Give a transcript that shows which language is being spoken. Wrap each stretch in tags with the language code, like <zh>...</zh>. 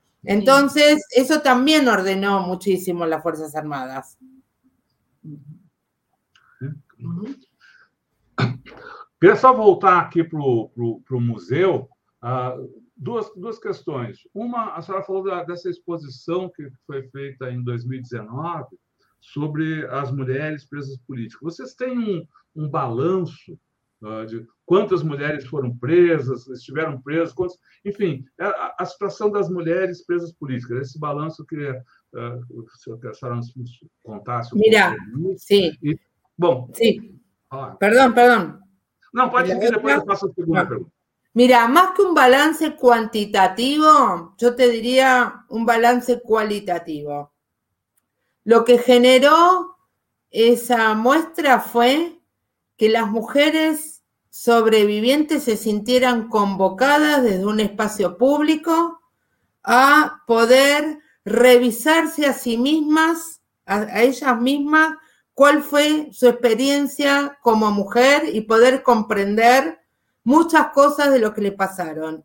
<es>Entonces, sí. Eso también ordenó muchísimo las Fuerzas Armadas.</es> <pt>Queria só voltar aqui pro museu. Duas questões. Uma, a senhora falou dessa exposição que foi feita em 2019 sobre as mulheres presas políticas. Vocês têm um balanço de quantas mulheres foram presas, estiveram presas, quantas... Enfim, a situação das mulheres presas políticas. Esse balanço que a senhora nos contasse.</pt> <es>Mirá, sim.</es> <pt>Bom.</pt> <es>Sí. Perdón. No, puede seguir, después paso a la segunda pregunta. Mira, más que un balance cuantitativo, yo te diría un balance cualitativo. Lo que generó esa muestra fue que las mujeres sobrevivientes se sintieran convocadas desde un espacio público a poder revisarse a sí mismas, a ellas mismas, cuál fue su experiencia como mujer y poder comprender muchas cosas de lo que le pasaron.</es>